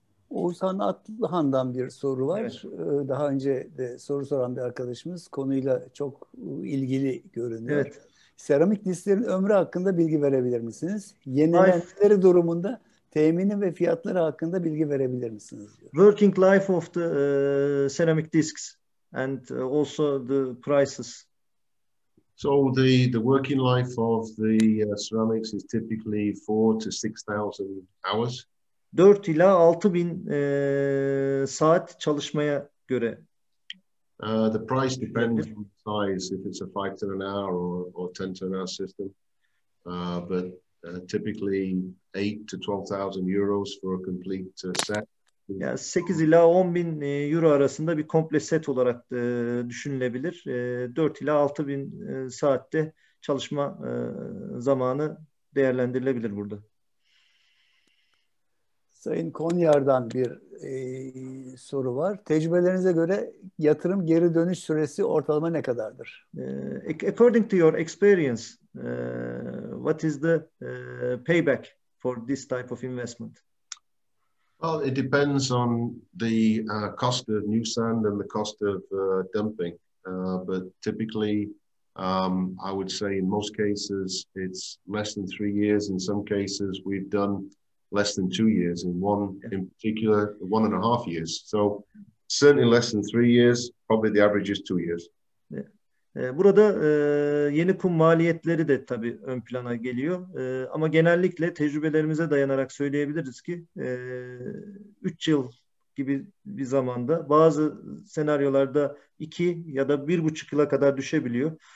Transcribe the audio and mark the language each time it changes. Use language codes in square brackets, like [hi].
[tr] Oğuzhan Atlıhan'dan bir soru var. Evet. Daha önce de soru soran bir arkadaşımız konuyla çok ilgili görünüyor. Evet. Seramik dislerin ömrü hakkında bilgi verebilir misiniz? Yenilenmeleri durumunda temini ve fiyatları hakkında bilgi verebilir misiniz? Diyor. [en] Working life of the ceramic discs and also the prices. So the working life of the ceramics is typically 4,000 to 6,000 hours. [tr] 4 ila 6 bin saat çalışmaya göre. [en] The price depends on the size, if it's a 5 ton an hour or 10 ton an hour system. But typically 8 to 12,000 euros for a complete set. [tr] Yani 8 ila 10 bin euro arasında bir komple set olarak düşünülebilir. 4 ila 6 bin saatte çalışma zamanı değerlendirilebilir burada. Sayın Konyar'dan bir soru var. Tecrübelerinize göre yatırım geri dönüş süresi ortalama ne kadardır? [en] According to your experience, what is the payback for this type of investment? Well, it depends on the cost of new sand and the cost of dumping. But typically, I would say in most cases, it's less than 3 years. In some cases, we've done less than 2 years, in one in particular, 1.5 years. So certainly less than 3 years, probably the average is 2 years. [tr] Burada yeni kum maliyetleri de tabii ön plana geliyor. Ama genellikle tecrübelerimize dayanarak söyleyebiliriz ki 3 yıl gibi bir zamanda bazı senaryolarda 2 ya da 1,5 yıla kadar düşebiliyor.